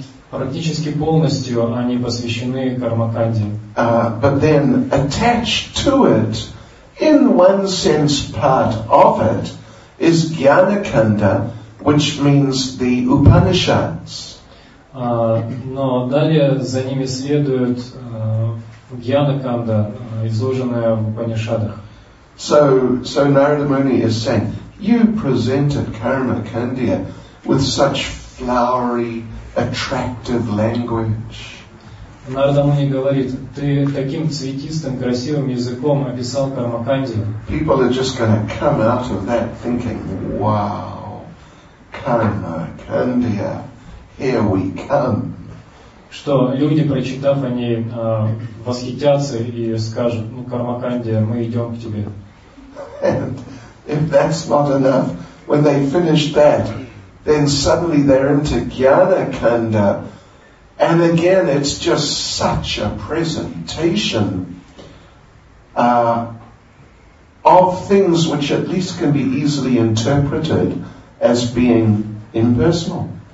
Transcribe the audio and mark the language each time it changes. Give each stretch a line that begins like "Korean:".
Russian: Практически полностью они посвящены Кармаканде.
English: But then attached to it, in one sense part of it, is Jnanakanda, which means the Upanishads.
Russian: Но далее за ними следует Jnanakanda, изложенная в Упанишадах.
English: So Narada Muni is saying, you presented Кармакандия with such flowery, attractive language.
Russian: Нарада Муни говорит, ты таким цветистым, красивым языком описал Кармаканди.
English: People are just going to come out of that thinking, wow, Кармакандия, here we come.
Russian: Что люди, прочитав, они восхитятся и скажут, ну, Кармакандия, мы идем к тебе.
English: And if that's not enough, when they finish that, then suddenly they're into Jnanakanda, and again it's just such a presentation of things which at least can be easily interpreted as being impersonal.